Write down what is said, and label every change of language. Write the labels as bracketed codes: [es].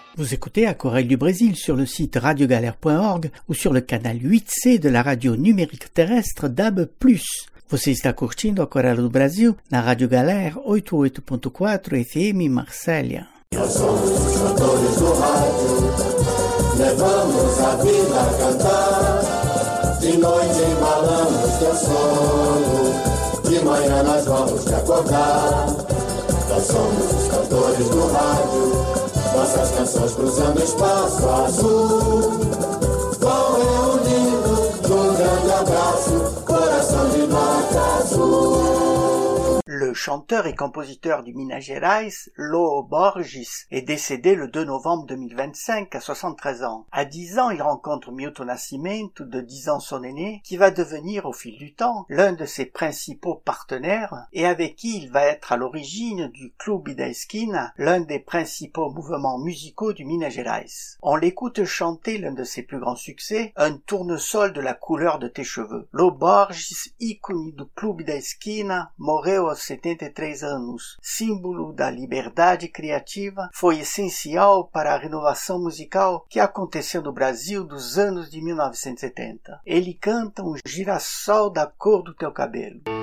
[fr] Écoutez Aquarelle du Brésil sur le site radiogalère.org ou sur le canal 8C de la radio numérique terrestre DAB+. [pt] Você está curtindo Aquarelle do Brasil na Radio Galère 88.4 FM Marselha. Nós somos os cantores do rádio, levamos a vida a cantar, de noite embalamos teu sono, de manhã nós vamos te acordar. Nós somos os cantores do rádio. nossas canções cruzando espaço azul. Vão reunindo um grande abraço, coração de mata azul. [fr] Le chanteur et compositeur du Minas Gerais, Lauro Borges, est décédé le 2 novembre 2025 à 73 ans. À 10 ans, il rencontre Milton Nascimento, de 10 ans son aîné, qui va devenir au fil du temps l'un de ses principaux partenaires et avec qui il va être à l'origine du Clube da Esquina, l'un des principaux mouvements musicaux du Minas Gerais. On l'écoute chanter l'un de ses plus grands succès, un tournesol de la couleur de tes cheveux. [pt] Lauro Borges, ícone du Clube da Esquina, morreu 73 anos, símbolo da liberdade criativa, foi essencial para a renovação musical que aconteceu no Brasil dos anos de 1970. Ele canta um girassol da cor do teu cabelo.